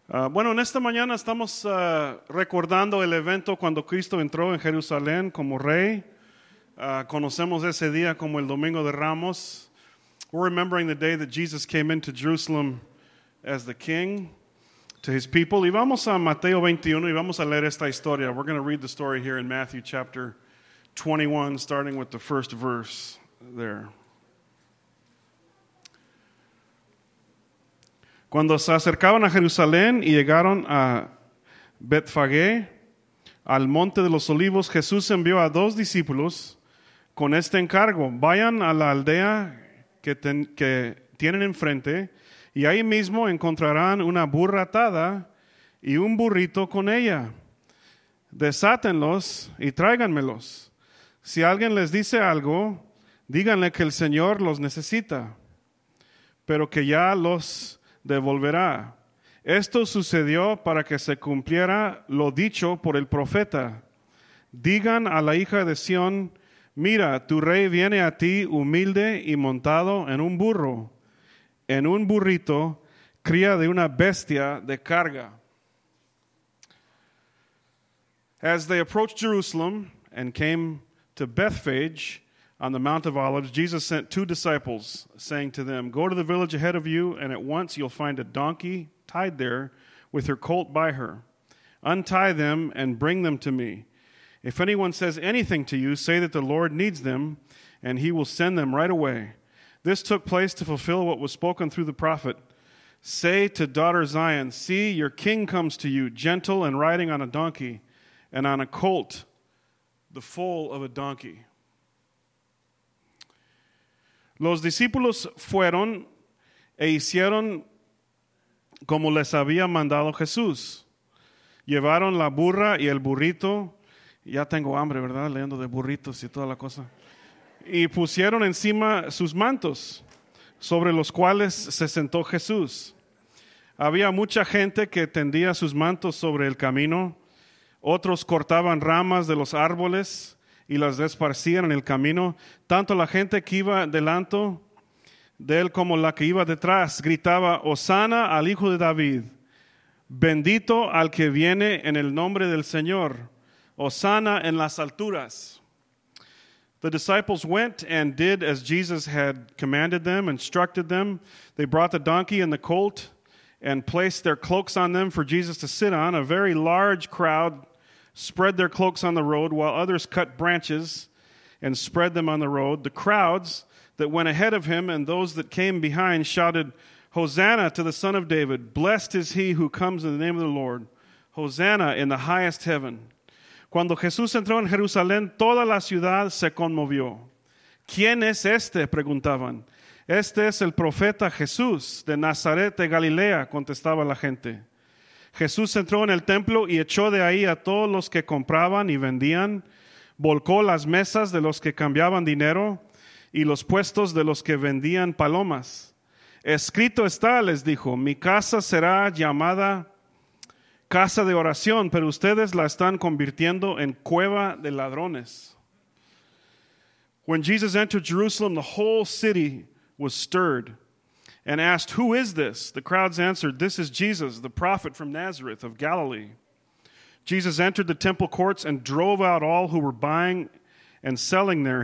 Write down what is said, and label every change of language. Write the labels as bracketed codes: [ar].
[es] Bueno, en esta mañana estamos recordando el evento cuando Cristo entró en Jerusalén como rey. Conocemos ese día como el Domingo de Ramos. [en] We're remembering the day that Jesus came into Jerusalem as the king to his people. [es] Y vamos a Mateo 21 y vamos a leer esta historia. [en] We're going to read the story here in Matthew chapter 21, starting with the first verse there. [es] Cuando se acercaban a Jerusalén y llegaron a Betfagé, al monte de los olivos, Jesús envió a dos discípulos con este encargo: vayan a la aldea que tienen enfrente, y ahí mismo encontrarán una burra atada y un burrito con ella. Desátenlos y tráiganmelos. Si alguien les dice algo, díganle que el Señor los necesita, pero que ya los devolverá. Esto sucedió para que se cumpliera lo dicho por el profeta: digan a la hija de Sión, mira, tu rey viene a ti humilde y montado en un burro, en un burrito, cría de una bestia de carga. [en] As they approached Jerusalem and came to Bethphage on the Mount of Olives, Jesus sent two disciples, saying to them, go to the village ahead of you, and at once you'll find a donkey tied there with her colt by her. Untie them and bring them to me. If anyone says anything to you, say that the Lord needs them, and he will send them right away. This took place to fulfill what was spoken through the prophet. Say to daughter Zion, see, your king comes to you, gentle and riding on a donkey, and on a colt, the foal of a donkey. [es] Los discípulos fueron e hicieron como les había mandado Jesús. Llevaron la burra y el burrito. Ya tengo hambre, ¿verdad? Leyendo de burritos y toda la cosa. Y pusieron encima sus mantos, sobre los cuales se sentó Jesús. Había mucha gente que tendía sus mantos sobre el camino. Otros cortaban ramas de los árboles y las esparcían en el camino. Tanto la gente que iba delante de él como la que iba detrás gritaba: Hosanna al Hijo de David. Bendito al que viene en el nombre del Señor. Hosanna en las alturas. [en] The disciples went and did as Jesus had commanded them, instructed them. They brought the donkey and the colt and placed their cloaks on them for Jesus to sit on. A very large crowd spread their cloaks on the road, while others cut branches and spread them on the road. The crowds that went ahead of him and those that came behind shouted, Hosanna to the Son of David. Blessed is he who comes in the name of the Lord. Hosanna in the highest heaven. [es] Cuando Jesús entró en Jerusalén, toda la ciudad se conmovió. ¿Quién es este? Preguntaban. Este es el profeta Jesús de Nazaret de Galilea, contestaba la gente. Jesús entró en el templo y echó de ahí a todos los que compraban y vendían, volcó las mesas de los que cambiaban dinero y los puestos de los que vendían palomas. Escrito está, les dijo, mi casa será llamada casa de oración, pero ustedes la están convirtiendo en cueva de ladrones. [en] When Jesus entered Jerusalem, the whole city was stirred and asked, who is this? The crowds answered, this is Jesus, the prophet from Nazareth of Galilee. Jesus entered the temple courts and drove out all who were buying and selling there.